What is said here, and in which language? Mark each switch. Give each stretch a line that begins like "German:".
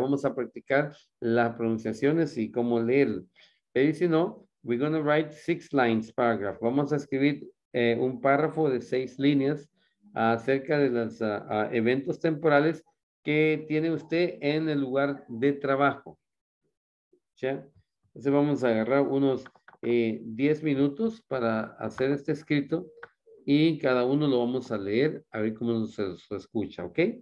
Spanish: Vamos a practicar las pronunciaciones y cómo leerlo. Pero si no,
English: we're going to write 6-line paragraph.
Spanish: Vamos a escribir un párrafo de 6 líneas acerca de los eventos temporales que tiene usted en el lugar de trabajo. ¿Ya? Entonces vamos a agarrar unos 10 minutos para hacer este escrito y cada uno lo vamos a leer a ver cómo se escucha, ¿ok?